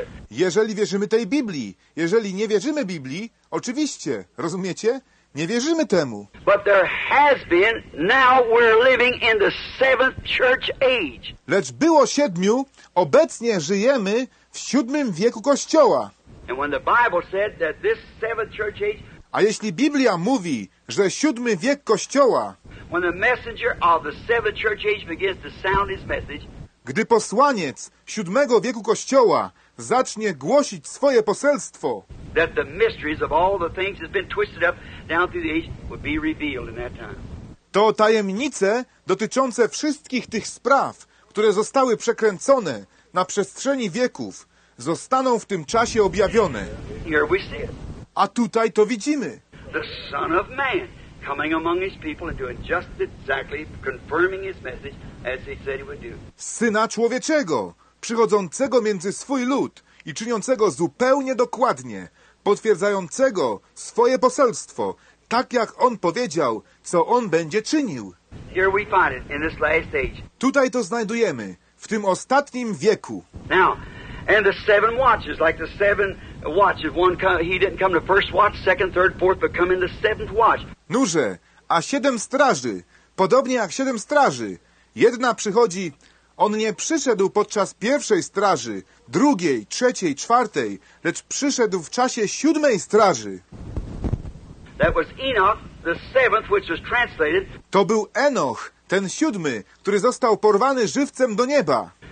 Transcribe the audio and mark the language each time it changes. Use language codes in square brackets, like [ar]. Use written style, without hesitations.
[pl] Jeżeli wierzymy tej Biblii, jeżeli nie wierzymy Biblii, oczywiście, rozumiecie? Nie wierzymy temu. [en] But there has been, now we're living in the seventh church age. [pl] Lecz było siedmiu, obecnie żyjemy w siódmym wieku Kościoła. [en] And when the Bible said that this seventh church age... [pl] A jeśli Biblia mówi, że siódmy wiek Kościoła, [en] when the messenger of the seventh church age begins to sound his message, [pl] gdy posłaniec siódmego wieku Kościoła zacznie głosić swoje poselstwo, [en] that the mysteries of all the things that's been twisted up down through the age would be revealed in that time. [pl] To tajemnice dotyczące wszystkich tych spraw, które zostały przekręcone na przestrzeni wieków, zostaną w tym czasie objawione. [en] Here we see it. [pl] A tutaj to widzimy. [en] The Son of Man coming among his people and doing just exactly confirming his message as he said he would do. [pl] Syna człowieczego, przychodzącego między swój lud i czyniącego zupełnie dokładnie, potwierdzającego swoje poselstwo, tak jak on powiedział, co on będzie czynił. [en] Here we find it, in this last age. [pl] Tutaj to znajdujemy, w tym ostatnim wieku. [en] Now, and the seven watches, like the seven watches, one come, he didn't come to first watch, second, third, fourth, but come in the seventh watch. [pl] Nurze, a siedem straży, podobnie jak siedem straży, jedna przychodzi... On nie przyszedł podczas pierwszej straży, drugiej, trzeciej, czwartej, lecz przyszedł w czasie siódmej straży. [en] That was Enoch, the seventh, which was translated. [pl] To był Enoch, ten siódmy, który został porwany żywcem do nieba.